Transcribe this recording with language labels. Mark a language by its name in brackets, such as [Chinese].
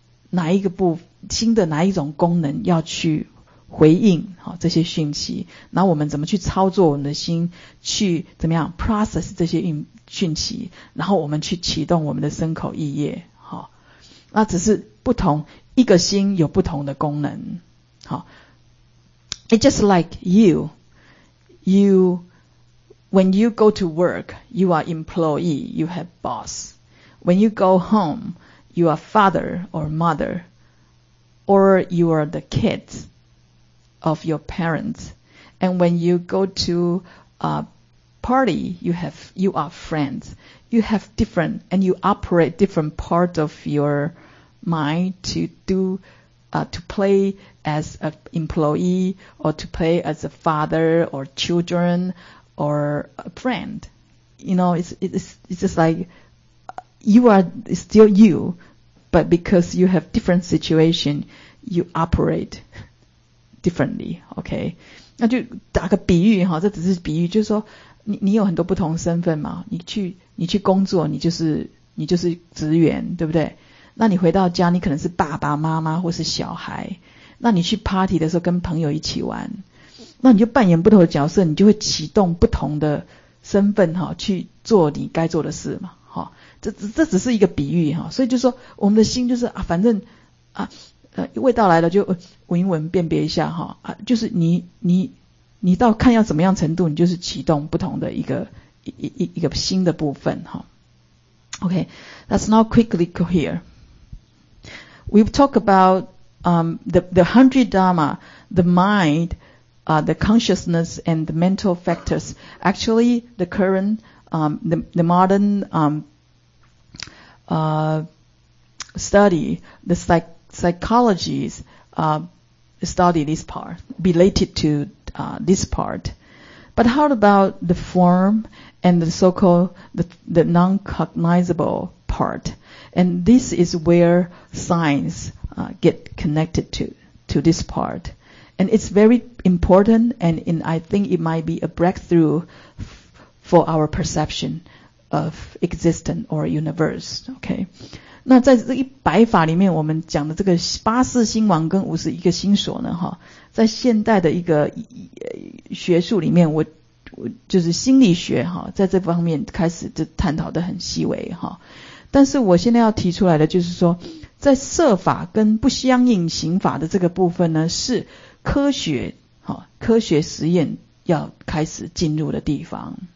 [Chinese] 哪一个部、心的哪一种功能要去回应好这些讯息，然后我们怎么去操作我们的心，去怎么样 process 这些讯息，然后我们去启动我们的身口意业，好，那只是不同一个心有不同的功能，好。 [English] It's just like you, when you go to work, you are employee, you have boss. When you go home, you are father or mother, or you are the kids. Of your parents, and when you go to a party, you are friends. You have different, and you operate different parts of your mind to do, to play as an employee or to play as a father or children or a friend. You know, it's just like you are still you, but because you have different situation, you operate. differently, okay. [Chinese] 那就打个比喻齁，这只是比喻，就是说你有很多不同身份嘛，你去工作，你就是职员，对不对？那你回到家，你可能是爸爸妈妈或是小孩，那你去 party 的时候跟朋友一起玩，那你就扮演不同的角色，你就会启动不同的身份齁，去做你该做的事嘛，齁。这只是一个比喻齁，所以就是说我们的心就是啊，反正啊，味道来了就闻一闻辨别一下齁，啊，就是你到看要怎么样程度，你就是启动不同的一个新的部分齁。 [English] OK, let's now quickly go here. We've talked about, the 100 Dharma, the mind, the consciousness and the mental factors. Actually, the current, the modern, study, the psychologies, study this part, related to, this part. But how about the form and the so-called, the non-cognizable part? And this is where science, get connected to this part. And it's very important, and I think it might be a breakthrough for our perception of existence or universe, okay? [Chinese] 那在这一百法里面，我们讲的这个八识心王跟五识一个心所呢，哈，在现代的一个学术里面，我就是心理学哈，在这方面开始就探讨的很细微哈。但是我现在要提出来的就是说，在色法跟不相应行法的这个部分呢，是科学哈，科学实验要开始进入的地方。